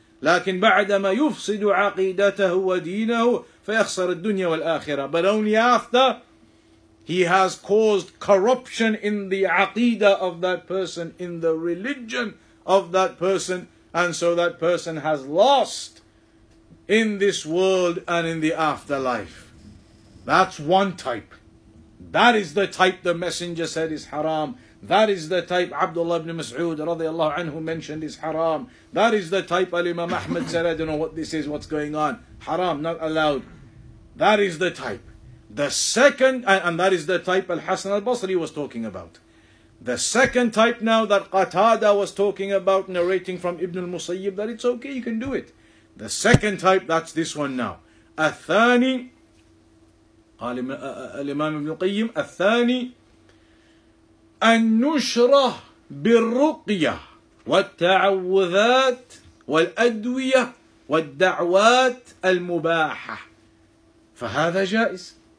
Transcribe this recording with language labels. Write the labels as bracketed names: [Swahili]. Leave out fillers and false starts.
[Arabic] لكن بعدما يفسد عقيدته ودينه فيخسر الدنيا والآخرة. [English] But only after he has caused corruption in the aqidah of that person, in the religion of that person, and so that person has lost in this world and in the afterlife. That's one type. That is the type the messenger said is haram. That is the type Abdullah ibn Mas'ud radiallahu anhu mentioned is haram. That is the type Al-Imam Ahmad said, I don't know what this is, what's going on. Haram, not allowed. That is the type. The second, and that is the type Al-Hasan al-Basri was talking about. The second type now that Qatada was talking about, narrating from Ibn al-Musayyib, that it's okay, you can do it. The second type, that's this one now. [Arabic] Athani, Al-Imam ibn al-Qayyim, Athani, النشرة بالرقية والتعوذات والأدوية والدعوات المباحة فهذا جائز.